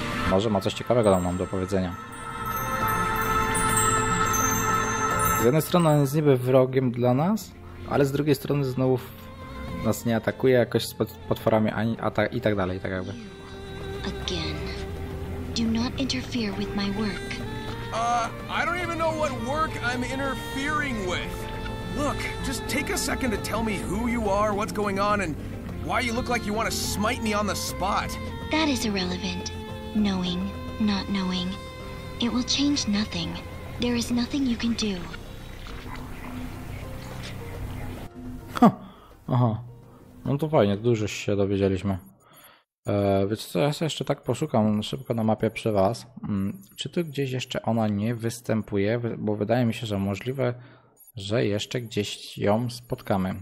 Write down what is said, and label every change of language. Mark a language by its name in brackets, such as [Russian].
[Polish] Może ma coś ciekawego nam do powiedzenia. Z jednej strony on jest niby wrogiem dla nas, ale z drugiej strony znowu nas nie atakuje jakoś z potworami ani atak i tak dalej, tak jakby. [English] Again. Do not interfere with my work. I don't even know what work I'm interfering with. Look, just take a second to tell me who you are, what's going on, and why you look like you want to smite me on the spot. That is irrelevant. Knowing, not knowing. It will change nothing. There is nothing you can do. Huh. Aha. [Polish] No to fajnie, dużo się dowiedzieliśmy. Wiecie co, ja sobie jeszcze tak poszukam szybko na mapie przy was. Czy tu gdzieś jeszcze ona nie występuje? Bo wydaje mi się, że możliwe, że jeszcze gdzieś ją spotkamy.